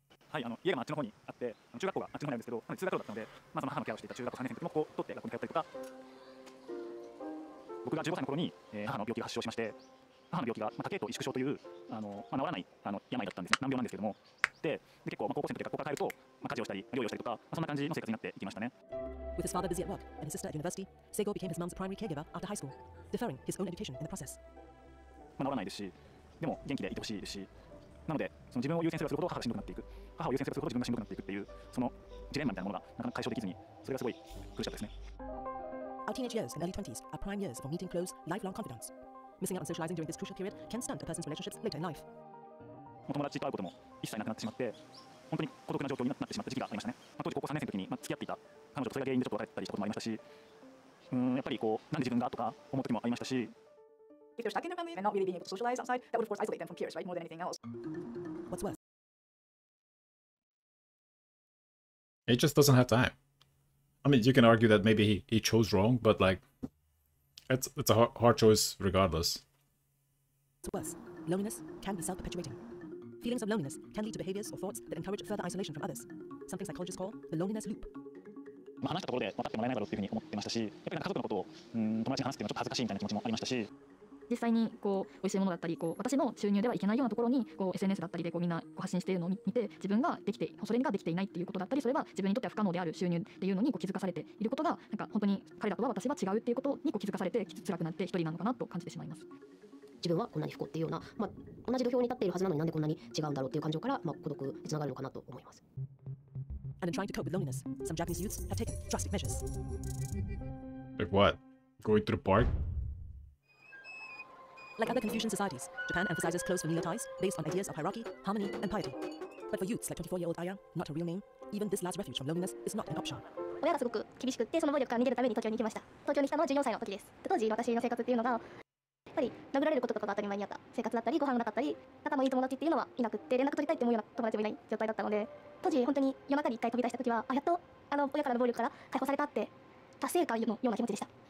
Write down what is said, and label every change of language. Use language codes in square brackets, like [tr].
[ja] はい、家があっちの方にあって、中学校があっちの方にあるんですけど、通学路だったので、まず母のケアをしていた中学校3年生の時もこう取って学校に通ったりとか、僕が15歳の頃に、母の病気が発症しまして、母の病気が、多系統萎縮症という治らない病だったんですね、難病なんですけども。で結構、高校生の時学校帰ると、家事をしたり、料理をしたりとか、そんな感じの生活になっていきましたね。 [en] With his father busy at work and his sister at university, Seigo became his mom's primary caregiver after high school, deferring his own education in the process. [ja] 治らないですし、でも元気でいてほしいですし、なので、その自分を優先することが母がしんどくなっていく、母を優先することが自分がしんどくなっていくっていう、そのジレンマみたいなものがなかなか解消できずに、それがすごい苦しかったですね。 [en] Our teenage years and early 20s are prime years for meeting close, lifelong confidants. Missing out on socializing during this crucial period can stunt a person's relationships later in life. [ja] お友達と会うことも一切なくなってしまって、本当に孤独な状況になってしまった時期がありましたね。当時高校3年生の時に、付き合っていた彼女とそれが原因でちょっと別れたりしたこともありましたし、やっぱりこう、なんで自分がとか思う時もありましたし。 [en] If you're stuck in your family and not really being able to socialize outside, that would of course isolate them from peers, right? More than anything else. It just doesn't have time. I mean, you can argue that maybe he chose wrong, but like, it's a hard choice regardless. It's worse. Loneliness can be self-perpetuating. Feelings of loneliness can lead to behaviors or thoughts that encourage further isolation from others. Something psychologists call the loneliness loop. [ja] まあ、話したところで分かってもらえないだろうというふうに思ってましたし、やっぱり家族のことを、友達に話すというのはちょっと恥ずかしいみたいな気持ちもありましたし、実際にこう美味しいものだったり、こう私の収入ではいけないようなところにこう SNS だったりでこうみんな発信しているのを見て、自分ができて、それができていないっていうことだったり、それは自分にとっては不可能である収入っていうのにこう気づかされていることが、なんか本当に彼らとは私は違うっていうことにこう気づかされて、辛くなって一人なのかなと感じてしまいます。自分はこんなに不幸っていうような、まあ、同じ土俵に立っているはずなのになんでこんなに違うんだろうっていう感情から、まあ、孤独につながるのかなと思います。 [en] And in trying to cope with loneliness, some Japanese youths have taken drastic measures. Like what? Going to the park? Like other Confucian societies, Japan emphasizes close familial ties based on ideas of hierarchy, harmony, and piety. But for youths like 24-year-old Aya, not her real name, even this last refuge from loneliness is not an option. [ja] 親がすごく厳しくて、その暴力から逃げるために東京に行きました。東京に来たのは14歳の時です。当時の私の生活っていうのが、やっぱり殴られることとかが当たり前にあった生活だったり、ご飯がなかったり、仲のいい友達っていうのはいなくって、連絡取りたいって思うような友達もいない状態だったので、当時本当に夜中に一回飛び出した時は、あ、やっとあの親からの暴力から解放されたって達成感のような気持ちでした。